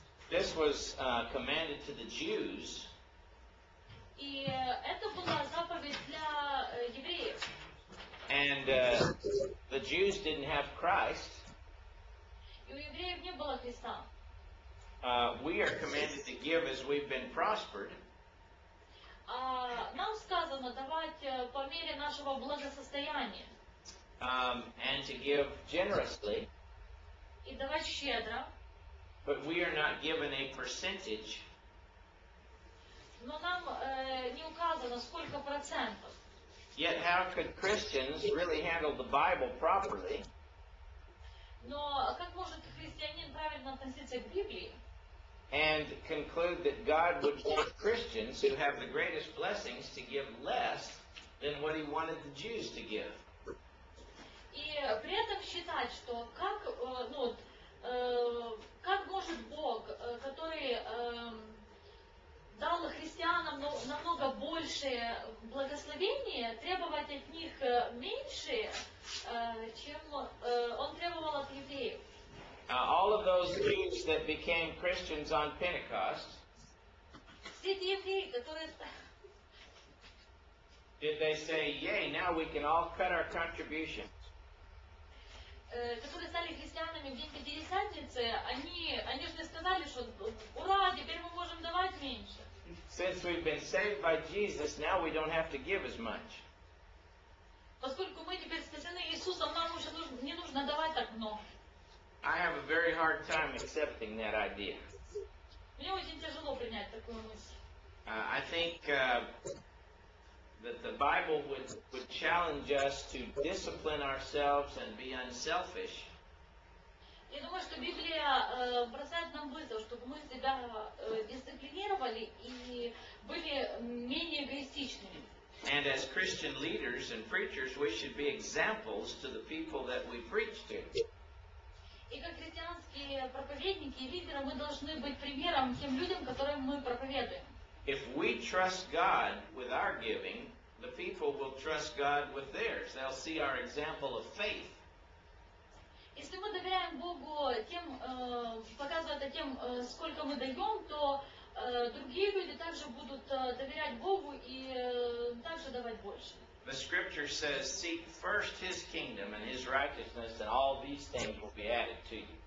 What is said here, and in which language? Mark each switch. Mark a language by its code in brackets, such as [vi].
[en] This was commanded to the Jews. [ru] И это была заповедь для евреев. [en] And the Jews didn't have Christ. [ru] И у евреев не было Христа. [en] We are commanded to give as we've been prospered. [ru] Нам сказано давать по мере нашего благосостояния. [en] And to give generously. [ru] И давать щедро. [en] But we are not given a percentage. [ru] Но нам не указано сколько процентов. [en] Yet how could Christians really handle the Bible properly? [ru] Но как может христианин правильно относиться к Библии? [en] And conclude that God would want Christians who have the greatest blessings to give less than what he wanted the Jews to give. [ru] И при этом считать, что как, ну, как может Бог, который дал христианам намного большее благословение, требовать от них меньше, чем он требовал от евреев? [en] All of those Jews that became Christians on Pentecost, did they say, yay, now we can all cut our contributions? [ru] Которые стали христианами в день Пятидесятницы, они же сказали, что ура, теперь мы можем давать меньше. [en] Since we've been saved by Jesus, now we don't have to give as much. [ru] Поскольку мы теперь спасены Иисусом, нам уже не нужно давать так много. [en] I have a very hard time accepting that idea. [ru] Мне очень тяжело принять такую мысль. [en] I think that the Bible would challenge us to discipline ourselves and be unselfish. [ru] Я думаю, что Библия бросает нам вызов, чтобы мы себя дисциплинировали и были менее эгоистичными. [en] And as Christian leaders and preachers, we should be examples to the people that we preach to. [ru] И как христианские проповедники и лидеры, мы должны быть примером тем людям, которым мы проповедуем. [en] If we trust God with our giving, the people will trust God with theirs. They'll see our example of faith. [ru] Если мы доверяем Богу тем, показывая это тем, сколько мы даем, то другие люди также будут доверять Богу и также давать больше. [en] The scripture says, seek first his kingdom and his righteousness, and all these things will be added to you.